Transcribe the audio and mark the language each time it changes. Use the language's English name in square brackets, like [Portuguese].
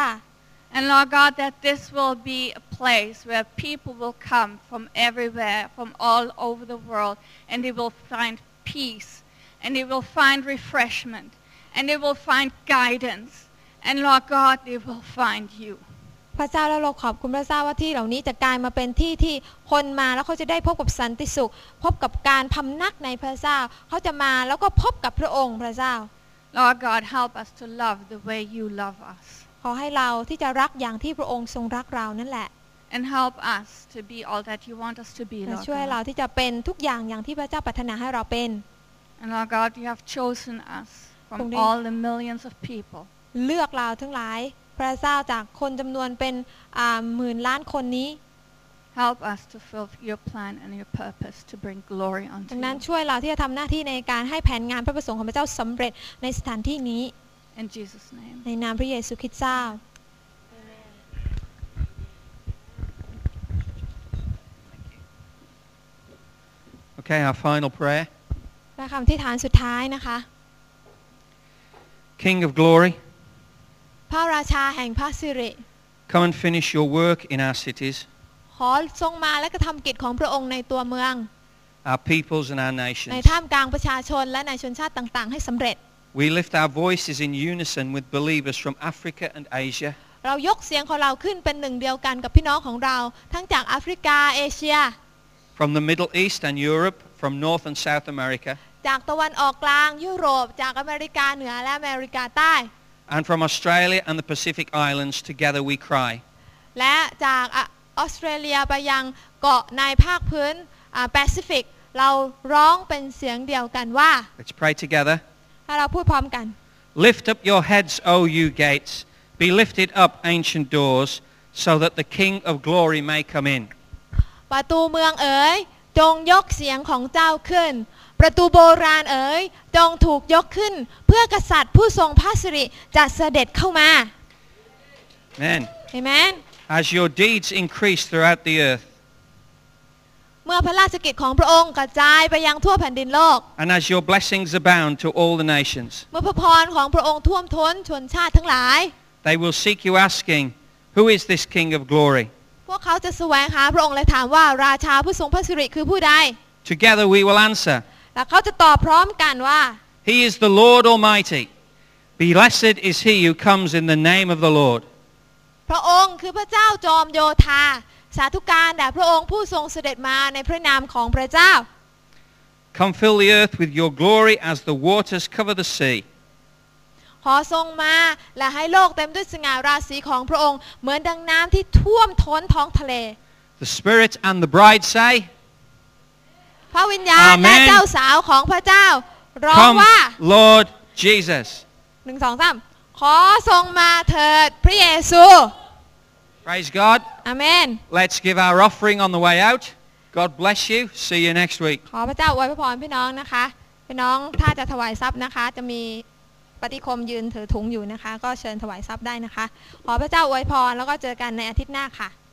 [English] ะ And Lord God, that this will be a place where people will come from everywhere, from all over the world, and they will find peace, and they will find refreshment. and they will find guidance. And Lord God, they will find you. [Thai] พระเจ้าเราขอบคุณพระเจ้าว่าที่เหล่านี้จะกลายมาเป็นที่ที่คนมาแล้วเขาจะได้พบกับสันติสุขพบกับการพำนักในพระเจ้าเขาจะมาแล้วก็พบกับพระองค์พระเจ้า [English] Lord God, help us to love the way you love us. [Thai] ขอให้เราที่จะรักอย่างที่พระองค์ทรงรักเรานั่นแหละ [English] And help us to be all that you want us to be, Lord God. [Thai] ช่วยเราที่จะเป็นทุกอย่างอย่างที่พระเจ้าปรารถนาให้เราเป็น [English] And Lord God, you have chosen us from all the millions of people. [Thai] เลือกเราทั้งหลายพระเจ้าจากคนจำนวนเป็นหมื่นล้านคนนี้ [English] Help us to fill your plan and your purpose to bring glory unto you [Thai] ดังนั้นช่วยเราที่จะทำหน้าที่ในการให้แผนงานพระประสงค์ของพระเจ้าสำเร็จในสถานที่นี้ [English] In Jesus name [Thai] ในนามพระเยซูคริสต์เจ้า [English] Amen Okay our final prayer [Thai] และคำอธิษฐานสุดท้ายนะคะ [English] King of glory [Thai] พระราชาแห่งพระสิริ [English] Come and finish your work in our cities. [Thai] ขอทรงมาและกระทำกิจของพระองค์ในตัวเมือง [English] Our peoples and our nations. [Thai] ในท่ามกลางประชาชนและในชนชาติต่างๆให้สำเร็จ [English] We lift our voices in unison with believers from Africa and Asia. [Thai] เรายกเสียงของเราขึ้นเป็นหนึ่งเดียวกันกับพี่น้องของเราทั้งจากแอฟริกาเอเชีย [English] From the Middle East and Europe, from North and South America. [Thai] จากตะวันออกกลางยุโรปจากอเมริกาเหนือและอเมริกาใต้ [English] And from Australia and the Pacific Islands, together we cry. [Thai] และจากออสเตรเลียไปยังเกาะในภาคพื้นแปซิฟิกเราร้องเป็นเสียงเดียวกันว่า [English] Let's pray together. [Thai] ให้เราพูดพร้อมกัน [English] Lift up your heads, O you gates. Be lifted up, ancient doors, so that the King of glory may come in. [Thai] ประตูเมืองเอ๋ยจงยกเสียงของเจ้าขึ้นประตูโบราณเอ๋ยจงถูกยกขึ้นเพื่อกษัตริย์ผู้ทรงพระสิริจะเสด็จเข้ามา [English] Amen. Amen. As your deeds increase throughout the earth. [Thai] เมื่อพระราชกิจของพระองค์กระจายไปยังทั่วแผ่นดินโลก [English] And as your blessings abound to all the nations. [Thai] เมื่อพระพรของพระองค์ท่วมท้นชนชาติทั้งหลาย [English] They will seek you asking, "Who is this King of glory?" [Thai] พวกเขาจะแสวงหาพระองค์และถามว่าราชาผู้ทรงพระสิริคือผู้ใด [English] Together we will answer. [Thai] แล้วเขาจะตอบพร้อมกันว่า [English] He is the Lord Almighty. Blessed is he who comes in the name of the Lord. [Thai] พระองค์คือพระเจ้าจอมโยธาสาธุการแด่พระองค์ผู้ทรงเสด็จมาในพระนามของพระเจ้า [English] Come fill the earth with your glory as the waters cover the sea. [Thai] ขอทรงมาและให้โลกเต็มด้วยสง่าราศีของพระองค์เหมือนดังน้ำที่ท่วมท้นท้องทะเล [English] The Spirit and the Bride say, [Thai] พระวิญญาณและเจ้าสาวของพระเจ้าร้องว่า [English] Lord Jesus [Thai] 1 2 3ขอทรงมาเถิดพระเยซู [English] Praise God Amen Let's give our offering on the way out God bless you see you next week [Thai] ขอพระเจ้าอวยพรพี่น้องนะคะพี่น้องถ้าจะถวายทรัพย์นะคะจะมีปฏิคมยืนถือถุงอยู่นะคะก็เชิญถวายทรัพย์ได้นะคะขอพระเจ้าอวยพรแล้วก็เจอกันในอาทิตย์หน้าค่ะ